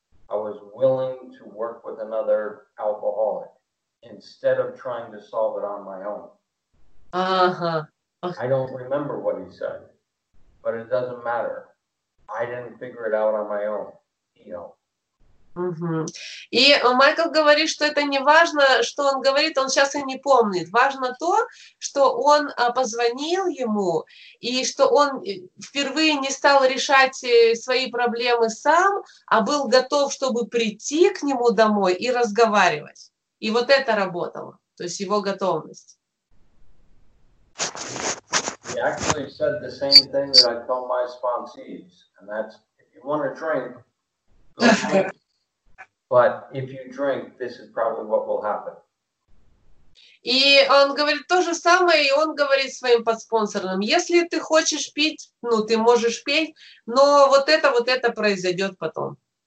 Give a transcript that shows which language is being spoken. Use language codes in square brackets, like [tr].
[en] I was willing to work with another alcoholic instead of trying to solve it on my own. Uh-huh. Okay. I don't remember what he said, but it doesn't matter. I didn't figure it out on my own, you know. Mm-hmm. [ru] И Майкл говорит, что это не важно, что он говорит, он сейчас и не помнит. Важно то, что он позвонил ему, и что он впервые не стал решать свои проблемы сам, а был готов, чтобы прийти к нему домой и разговаривать. И вот это работало, то есть его готовность. [en] He actually said the same thing that I told my sponsees, and that's, if you want to drink, go ahead. But if you drink, this is probably what will happen. [ru] И он говорит то же самое, и он говорит своим подспонсорам: если ты хочешь пить, ну ты можешь пить, но вот это произойдет потом.